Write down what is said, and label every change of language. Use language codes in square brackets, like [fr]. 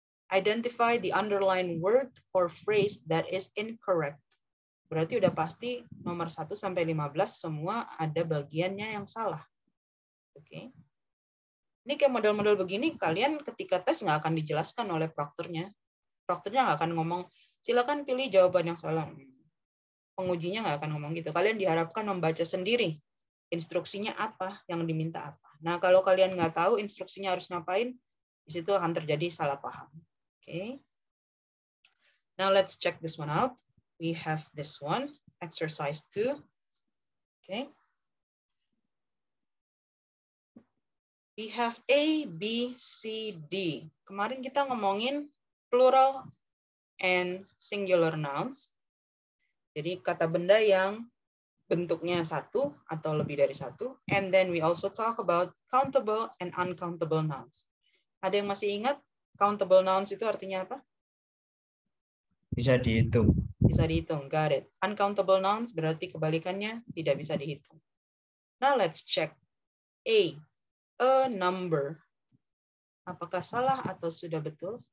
[en] Identify the underlying word or phrase that is incorrect. [id] Berarti udah pasti nomor 1 sampai 15 semua ada bagiannya yang salah. Oke. Ini kayak model-model begini, kalian ketika tes nggak akan dijelaskan oleh proktornya. Proktornya nggak akan ngomong, silakan pilih jawaban yang salah. Pengujinya nggak akan ngomong gitu. Kalian diharapkan membaca sendiri instruksinya apa, yang diminta apa. Nah, kalau kalian nggak tahu instruksinya harus ngapain, di situ akan terjadi salah paham. [en] Oke. Okay. Now let's check this one out. We have this one, exercise 2. Oke. We have A, B, C, D. [id] Kemarin kita ngomongin [en] plural and singular nouns. [id] Jadi kata benda yang bentuknya satu atau lebih dari satu. [en] And then we also talk about countable and uncountable nouns. [id] Ada yang masih ingat countable nouns itu artinya apa? Bisa dihitung. Bisa dihitung, got it. [en] Uncountable nouns [id] berarti kebalikannya tidak bisa dihitung. [en] Now let's check A. A number. [id] Apakah salah atau sudah betul?